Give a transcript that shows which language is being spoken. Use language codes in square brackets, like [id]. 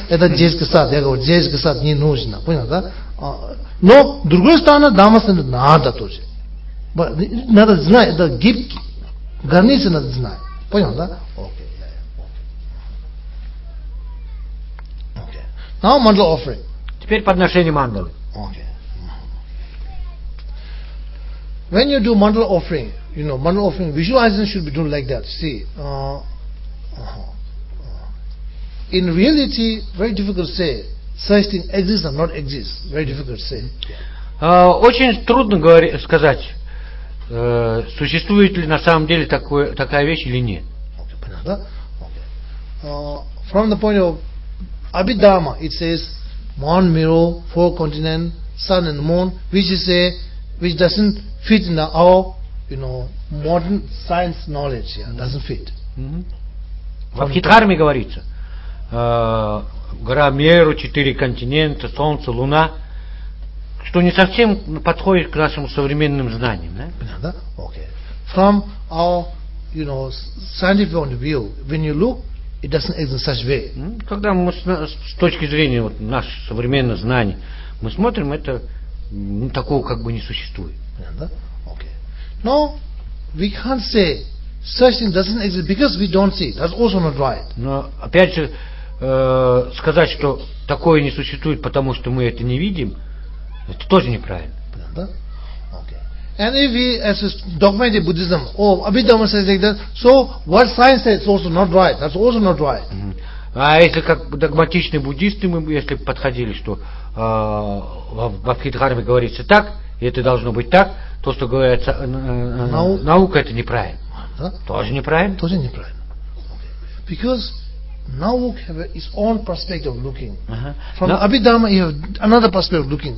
[ru] Это детский сад, я говорю, детский сад не нужно, понял, да? Но, с другой стороны, дама сэнда надо тоже. Надо знать, это гибкий, границы надо знать, понял, да? [en] Okay. Now mandala offering. [ru] Теперь подношение мандалы. [en] Okay. When you do mandala offering, you know, mandala offering, visualization should be done like that. See, in reality, very difficult to say, such thing exists or not exists. Very difficult to say. [ru] Очень трудно сказать, существует ли на самом деле такая вещь или нет. Okay, понятно, да? Okay. [en] From the point of Abhidharma, it says, man, mirror, four continent, sun and moon, which doesn't fit in our, you know, modern science knowledge, yeah, doesn't fit. [ru] В Абхидхарме говорится, гора Меру, четыре континента, солнце, луна, что не совсем подходит к нашим современным знаниям, да? Да, okay. [en] From our, you know, scientific point of view, when you look, it doesn't exist in such way. [ru] Когда мы с точки зрения вот наших современных знаний, мы смотрим, это такого как бы не существует. Да, okay. [en] No, we can't say such thing doesn't exist because we don't see. That's also not right. [ru] Но опять же сказать, что такое не существует, потому что мы это не видим, это тоже неправильно. Да? Okay. [en] And if we as a dogmatic Buddhism, Abhidharma says like that, so what science says is also not right. That's also not right. [ru] А если как догматичные буддисты мы, если подходили, что в Абхидхарме говорится так, и это должно быть так. То, что говорят наука, это неправильно. Тоже неправильно? Тоже неправильно. Okay. [en] Because [ru] наука [en] have its own perspective of looking. Uh-huh. From Abhidharma, you have another perspective of looking.